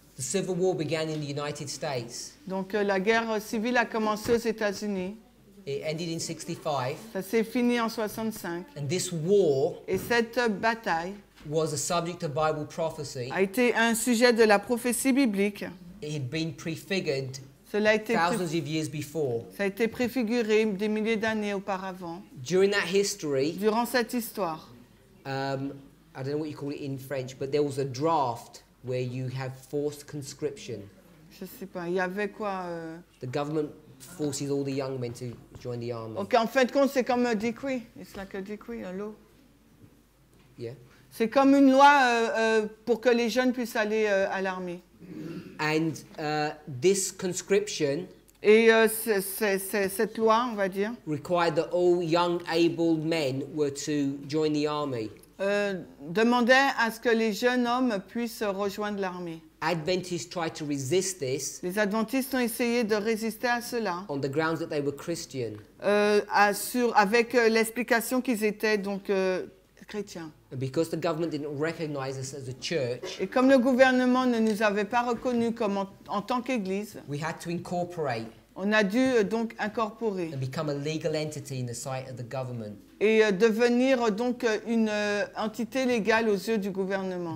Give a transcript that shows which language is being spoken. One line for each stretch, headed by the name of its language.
English: The Civil War began in the United States.
French: Donc la guerre civile a commencé aux États-Unis.
English: It ended in 65.
French: Ça s'est fini en 65.
English: And this war.
French: Et cette bataille.
English: Was a subject of Bible prophecy.
French: A été un sujet de la prophétie biblique.
English: It had been prefigured.
French: Cela a été
English: thousands of years before.
French: Ça a été préfiguré des milliers d'années auparavant.
English: During that history.
French: Durant cette histoire.
English: I don't know what you call it in French, but there was a draft where you have forced conscription.
French: Je sais pas. Il y avait quoi?
English: The government forces all the young men to join the army.
French: Okay, en fin de compte, c'est comme un décret.
English: It's like a decree, a law. Yeah.
French: C'est comme une loi pour que les jeunes puissent aller à l'armée.
English: And this conscription.
French: Et cette loi, on va dire.
English: Required that all young, able men were to join the army.
French: Demandait à ce que les jeunes hommes puissent rejoindre l'armée.
English: Adventists tried to resist this.
French: Les adventistes ont essayé de résister à cela.
English: On the grounds that they were Christian.
French: Avec l'explication qu'ils étaient donc chrétiens.
English: And because the government didn't recognize us as a church.
French: Et comme le gouvernement ne nous avait pas reconnus comme en tant qu'église.
English: We had to incorporate.
French: On a dû donc incorporer.
English: And become a legal entity in the sight of the government.
French: Et devenir donc une entité légale aux yeux du gouvernement.